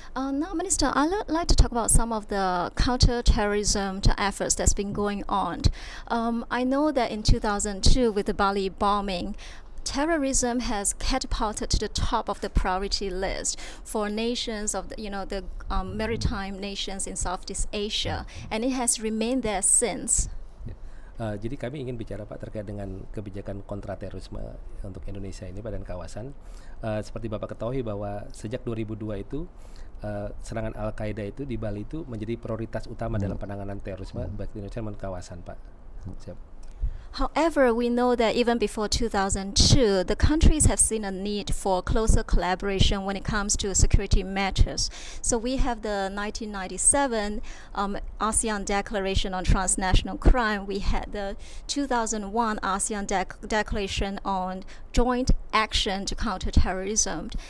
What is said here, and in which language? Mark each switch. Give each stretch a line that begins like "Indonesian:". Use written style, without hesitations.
English: Now, Minister, I'd like to talk about some of the counter-terrorism efforts that's been going on. I know that in 2002, with the Bali bombing, terrorism has catapulted to the top of the priority list for nations of the, you know, the maritime nations in Southeast Asia, and it has remained there since.
Indonesian: Jadi kami ingin bicara Pak terkait dengan kebijakan kontraterorisme untuk Indonesia ini pada kawasan. Seperti Bapak ketahui bahwa sejak 2002 itu serangan Al-Qaeda itu di Bali itu menjadi prioritas utama dalam penanganan terorisme baik di Indonesia maupun kawasan, Pak. Siap.
English: However, we know that even before 2002, the countries have seen a need for closer collaboration when it comes to security matters. So we have the 1997 ASEAN Declaration on Transnational Crime. We had the 2001 ASEAN Declaration on Joint Action to Counter Terrorism.